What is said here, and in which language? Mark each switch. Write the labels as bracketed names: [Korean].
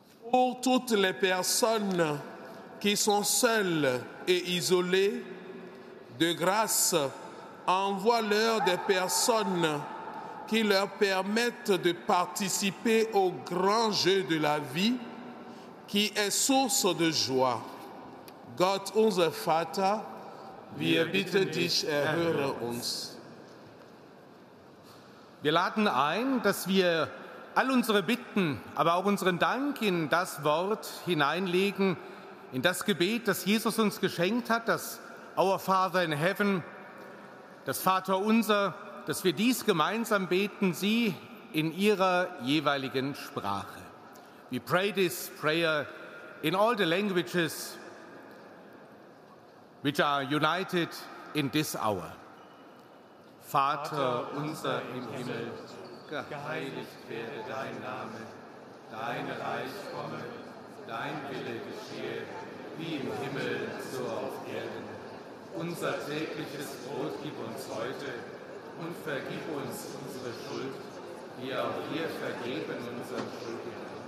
[French] Pour toutes les personnes qui sont seules et isolées, de grâce, envoie-leur des personnes qui leur permettent de participer au grand jeu de la vie, qui est source de joie. [German] Gott unser Vater, wir bitten dich, erhöre uns. Wir laden ein, dass wir all unsere Bitten, aber auch unseren Dank in das Wort hineinlegen, in das Gebet, das Jesus uns geschenkt hat, das [English] Our Father in Heaven, [German] das Vater Unser, dass wir dies gemeinsam beten, Sie in Ihrer jeweiligen Sprache. [English] We pray this prayer in all the languages which are united in this hour. [German] Vater Unser im Himmel, geheiligt werde dein Name, dein Reich komme, dein Wille geschehe, wie im Himmel, so auf Erden. Unser tägliches Brot gib uns heute und vergib uns unsere Schuld, wie auch wir vergeben unseren Schuldigen.